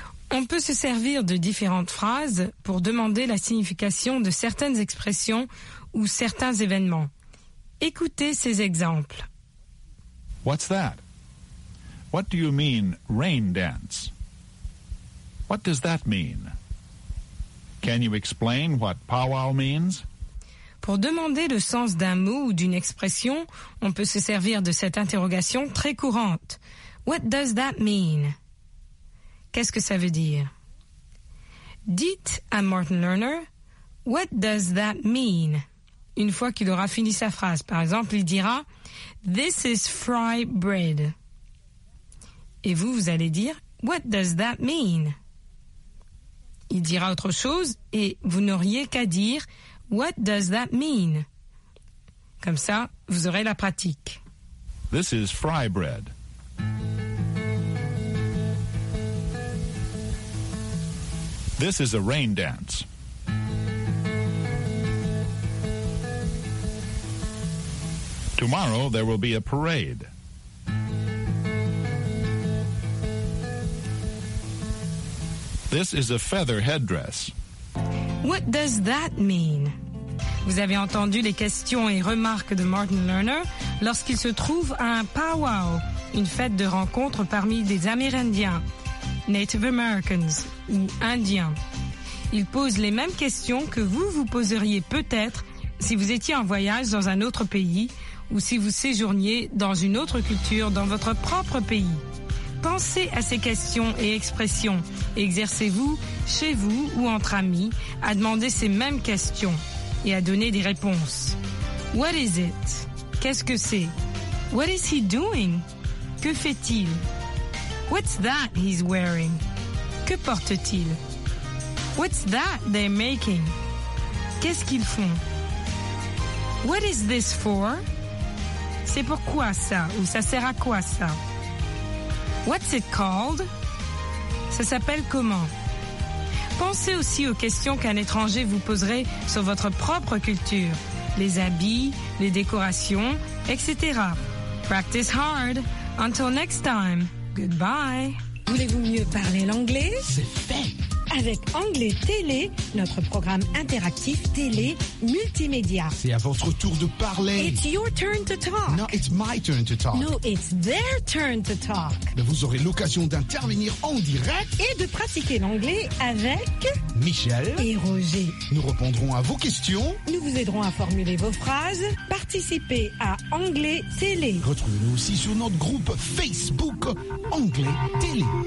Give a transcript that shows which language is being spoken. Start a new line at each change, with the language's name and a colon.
French: On peut se servir de différentes phrases pour demander la signification de certaines expressions ou certains événements. Écoutez ces exemples.
English: What's that? What do you mean, rain dance? What does that mean? Can you explain what powwow means?
French: Pour demander le sens d'un mot ou d'une expression, on peut se servir de cette interrogation très courante.
English: What does that mean?
French: Qu'est-ce que ça veut dire? Dites à Martin Lerner,
English: What does that mean?
French: Une fois qu'il aura fini sa phrase, par exemple, il dira,
English: This is fry bread.
French: Et vous, vous allez dire,
English: What does that mean?
French: Il dira autre chose et vous n'auriez qu'à dire, What does that mean? Comme ça, vous aurez la pratique.
English: This is fry bread. This is a rain dance. Tomorrow there will be a parade. This is a feather headdress. What does that mean?
French: Vous avez entendu les questions et remarques de Martin Lerner lorsqu'il se trouve à un powwow, une fête de rencontre parmi des Amérindiens, Native Americans ou Indiens. Il pose les mêmes questions que vous vous poseriez peut-être si vous étiez en voyage dans un autre pays ou si vous séjourniez dans une autre culture dans votre propre pays. Pensez à ces questions et expressions. Exercez-vous, chez vous ou entre amis, à demander ces mêmes questions et à donner des réponses.
English: What is it?
French: Qu'est-ce que c'est?
English: What is he doing?
French: Que fait-il?
English: What's that he's wearing?
French: Que porte-t-il?
English: What's that they're making?
French: Qu'est-ce qu'ils font?
English: What is this for?
French: C'est pourquoi ça ou ça sert à quoi ça?
English: What's it called?
French: Ça s'appelle comment? Pensez aussi aux questions qu'un étranger vous poserait sur votre propre culture, les habits, les décorations, etc.
English: Practice hard. Until next time. Goodbye.
French: Voulez-vous mieux parler l'anglais? C'est fait. Avec Anglais Télé, notre programme interactif télé multimédia. C'est à votre tour de parler.
English: It's your turn to talk. No, it's my turn to talk. No, it's their turn to talk.
French: Mais vous aurez l'occasion d'intervenir en direct. Et de pratiquer l'anglais avec... Michel. Et Roger. Nous répondrons à vos questions. Nous vous aiderons à formuler vos phrases. Participez à Anglais Télé. Retrouvez-nous aussi sur notre groupe Facebook Anglais Télé.